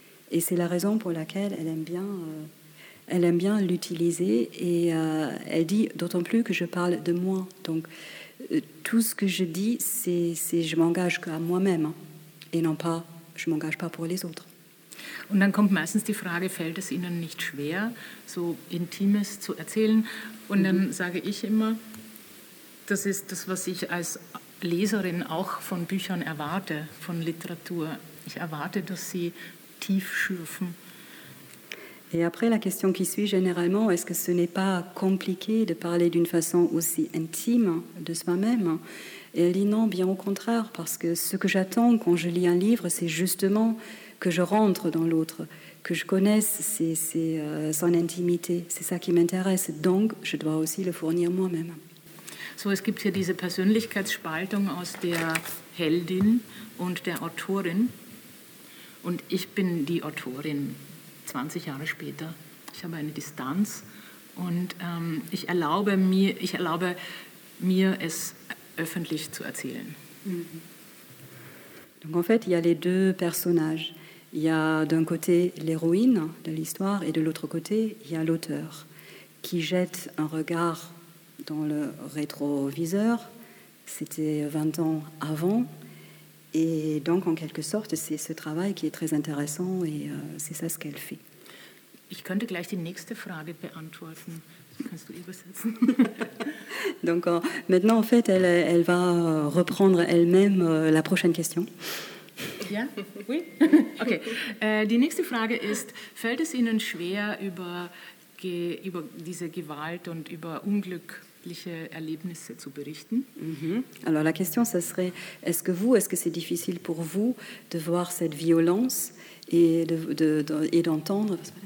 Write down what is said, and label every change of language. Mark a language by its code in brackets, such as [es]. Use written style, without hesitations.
[fr] Et c'est la raison pour laquelle elle aime bien l'utiliser et elle dit d'autant plus que je parle de moi. Donc tout ce que je dis, c'est je m'engage qu'à moi-même et non pas je m'engage pas pour les autres. [de] Und dann kommt meistens die Frage, fällt es Ihnen nicht schwer, so Intimes zu erzählen? Und dann sage ich immer, das ist das, was ich als Leserin auch von Büchern erwarte, von Literatur. Ich erwarte, dass sie tief schürfen. [fr] Et après, la question qui suit généralement, est-ce que ce n'est pas compliqué de parler d'une façon aussi intime de soi-même ? Et elle dit non, bien au contraire, parce que ce que j'attends quand je lis un livre, c'est justement que je rentre dans l'autre, que je connaisse son intimité. C'est ça qui m'intéresse, donc je dois aussi le fournir moi-même. [de] So, es gibt hier diese Persönlichkeitsspaltung aus der Heldin und der Autorin. Und ich bin die Autorin. 20 Jahre später. Ich habe eine Distanz und ich erlaube mir, es öffentlich zu erzählen. [fr] Donc en fait, il y a les deux personnages. Il y a d'un côté l'héroïne de l'histoire et de l'autre côté, il y a l'auteur qui jette un regard dans le rétroviseur. C'était 20 ans avant. Et donc, en quelque sorte, c'est ce travail qui est très intéressant et c'est ça ce qu'elle fait. [de] Ich könnte gleich die nächste Frage beantworten. Kannst du übersetzen? [fr] Donc, maintenant, en fait, elle va reprendre elle-même la prochaine question. [de] Ja? Oui? Okay. Die nächste Frage ist, fällt es Ihnen schwer, über diese Gewalt und über Unglück Erlebnisse zu berichten. Mm-hmm. [fr] Alors la question, ça serait, est-ce que c'est difficile pour vous de voir cette violence et de d'entendre